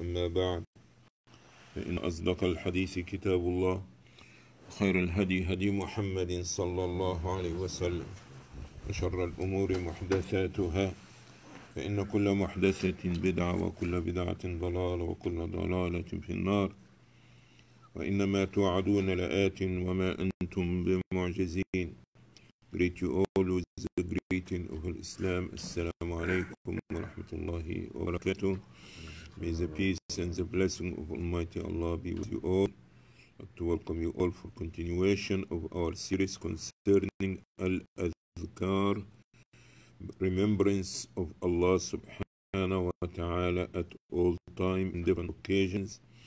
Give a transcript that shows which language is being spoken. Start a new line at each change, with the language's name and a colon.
Arabic: أما بعد، فإن أصدق الحديث كتاب الله، خير الهدي هدي محمد صلى الله عليه وسلم، وشر الأمور محدثاتها، فإن كل محدثة بدعة وكل بدعة ضلالة وكل ضلالة في النار. وإنما توعدون لآت وما أنتم بمعجزين.
English: Greet you all with the greeting of Islam.
Arabic: السلام عليكم ورحمة الله وبركاته.
English: May the peace and the blessing of Almighty Allah be with you all. I'd like to welcome you all for continuation of our series concerning Al-Adhkar, remembrance of Allah subhanahu wa ta'ala at all time in different occasions.